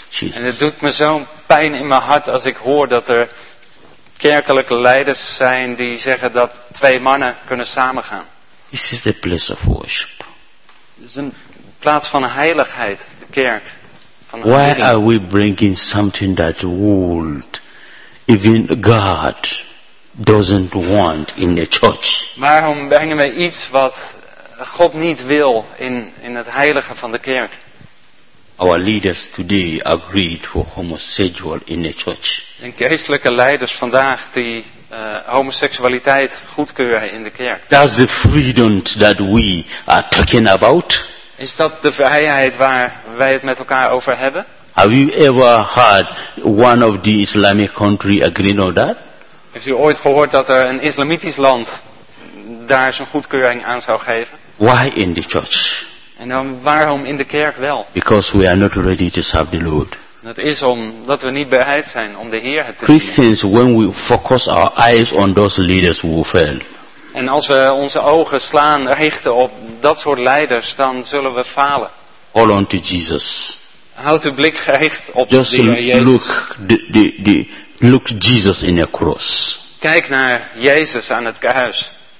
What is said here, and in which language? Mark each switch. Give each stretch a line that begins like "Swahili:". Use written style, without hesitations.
Dutch: En het doet me zo'n pijn in mijn hart als ik hoor dat er kerkelijke leiders zijn die zeggen dat twee mannen kunnen samengaan.
English: This is the place of worship.
Dutch: Het is een plaats van heiligheid, de kerk. Van de
English: Why are we bringing something that would even God doesn't want in the church?
Dutch: Waarom brengen we iets wat God niet wil in het heiligen van de kerk?
English: Our leaders today agreed for homosexual in the church.
Dutch: En geestelijke leiders vandaag die homoseksualiteit goedkeuren in de kerk.
English: That's the freedom that we are talking about.
Dutch: Is dat de vrijheid waar wij het met elkaar over hebben?
English: Have you ever heard one of the Islamic country agreeing on that?
Dutch: Heeft u ooit gehoord dat er een islamitisch land daar zijn goedkeuring aan zou geven?
English: Why in the church?
Dutch: En dan waarom in de kerk wel?
English: Because we are not ready to serve the Lord.
Dutch: Dat is omdat we niet bereid zijn om de Heer te dienen.
English: Christians, when we focus our eyes on those leaders, we fail.
Dutch: En als we onze ogen slaan, richten op dat soort leiders, dan zullen we falen.
English: Hold on to Jesus.
Dutch: Houd uw blik gericht op
English: Just
Dutch: de Heer Jezus.
English: Look Jesus in the cross.
Dutch: Kijk naar Jezus aan het kruis.